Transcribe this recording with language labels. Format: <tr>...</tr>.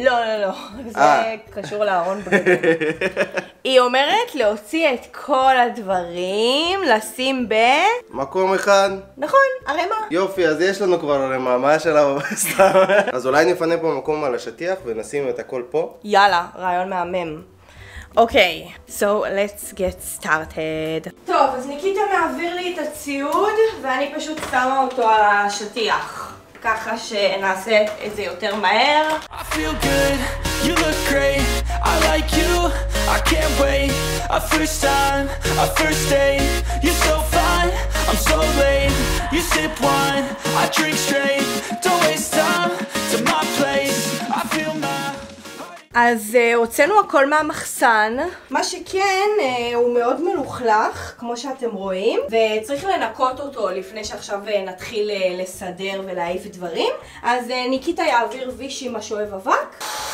<he>לא, לא, לא. זה קשור לארון בגדים. היא אומרת להוציא את כל הדברים, לשים ב... מקום אחד. נכון, ערימה. יופי, אז יש לנו כבר ערימה, מה השאלה סתם? אז אולי נפנה פה מקום על השטיח ונשים את הכל פה? יאללה, רעיון מהמם. אוקיי,</he> <en>so let's get started.</en> <he>טוב, אז ניקיטה מעביר לי את הציוד ואני פשוט שמה אותו על השטיח. ככה שנעשה את זה יותר מהר.</he> <en>I feel good, you look great, I like you, I can't wait. A first time, a first date, you're so fine, I'm so late. You sip wine, I drink straight, don't waste time, to my place, I feel my...</en> <he>אז הוצאנו הכל מהמחסן. מה שכן, הוא מאוד מלוכלך, כמו שאתם רואים, וצריך לנקות אותו לפני שעכשיו נתחיל לסדר ולהעיף דברים. אז ניקיטה יעביר ויש עם השואב אבק.</he>